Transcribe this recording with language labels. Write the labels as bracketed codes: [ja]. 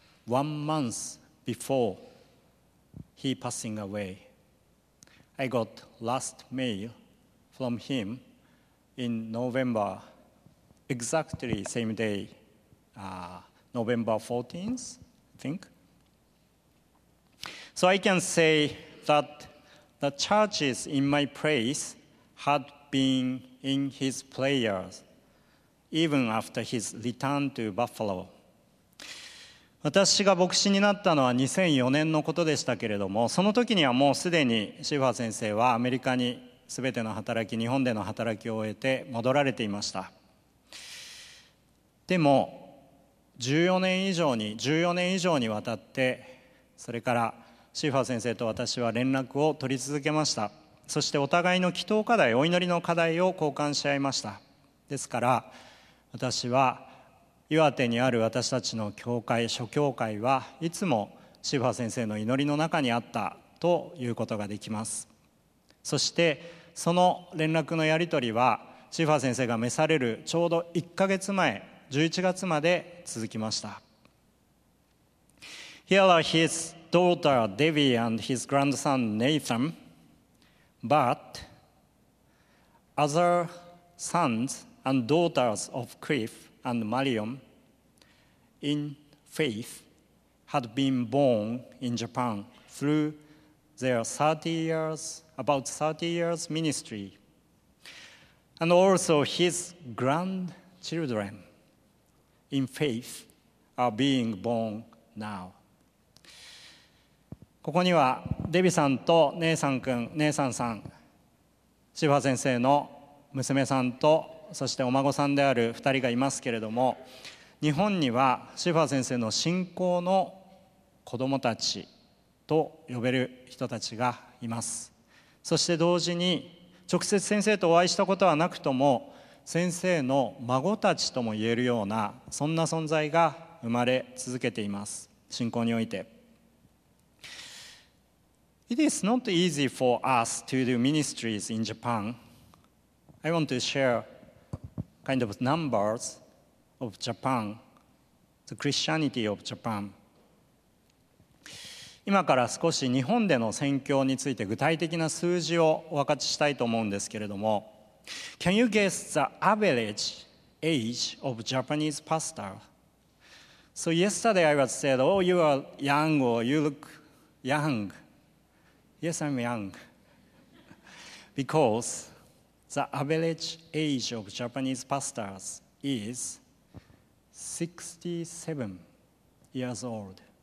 [en] 1 month before he passing away, I got last mail from him in November, exactly same day, November 14th, I think. So I can say that the churches in my place had been in his prayers even after his return to Buffalo. [ja] 私が牧師になったのは2004年のことでしたけれども、その時にはもうすでにシューファー先生はアメリカに全ての働き、日本での働きを終えて戻られていました。でも14年以上にわたって、それからシューファー先生と私は連絡を取り続けました。そしてお互いの祈祷課題、お祈りの課題を交換し合いました。ですから私は岩手にある私たちの教会、諸教会はいつもシューファー先生の祈りの中にあったということができます。そしてその連絡のやり取りはシューファー先生が召されるちょうど1ヶ月前11月まで続きました。 [en] Here are his daughter Debbie and his grandson Nathan, but other sons and daughters of Cliff and Marion in faith had been born in Japan through their about 30 years ministry, and also his grandchildren in faith are being born now. [ja] ここにはデビさんと姉さんさん、シューファー先生の娘さんと、そしてお孫さんである2人がいますけれども、日本にはシューファー先生の信仰の子供たちと呼べる人たちがいます。そして同時に直接先生とお会いしたことはなくとも、先生の孫たちとも言えるような、そんな存在が生まれ続けています、信仰において。 [en] It is not easy for us to do ministries in Japan. I want to sharekind of numbers of Japan, the Christianity of Japan. [ja] 今から少し日本での宣教について具体的な数字をお分かちしたいと思うんですけれども、 [en] Can you guess the average age of Japanese pastor? So yesterday I was said, oh, you are young, or you look young. Yes, I'm young. Because... The average age of Japanese pastors is 67 years old.